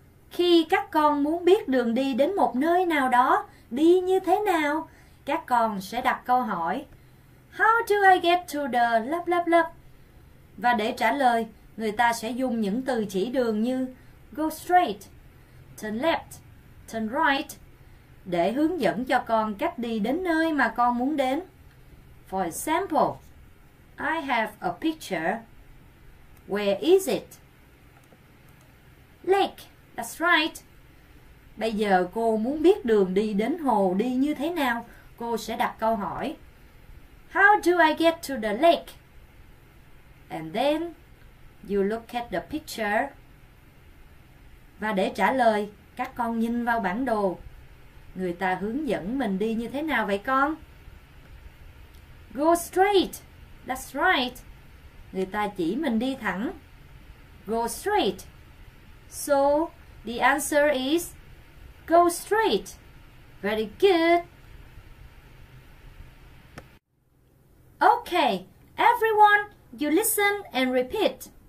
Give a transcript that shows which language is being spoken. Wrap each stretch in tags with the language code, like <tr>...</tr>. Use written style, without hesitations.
<vi>Khi các con muốn biết đường đi đến một nơi nào đó, đi như thế nào, các con sẽ đặt câu hỏi.</vi> <en>How do I get to the blah blah blah?</en> <vi>Và để trả lời, người ta sẽ dùng những từ chỉ đường như</vi> <en>go straight, turn left, turn right</en> <vi>để hướng dẫn cho con cách đi đến nơi mà con muốn đến.</vi> <en>For example, I have a picture. Where is it? Lake, that's right.</en> <vi>Bây giờ cô muốn biết đường đi đến hồ đi như thế nào, cô sẽ đặt câu hỏi.</vi> <en>How do I get to the lake? And then you look at the picture.</en> <vi>Và để trả lời, các con nhìn vào bản đồ. Người ta hướng dẫn mình đi như thế nào vậy con?</vi> <en>Go straight. That's right.</en> <vi>Người ta chỉ mình đi thẳng.</vi> <en>Go straight. So, the answer is go straight. Very good. Okay, everyone, you listen and repeat.</en>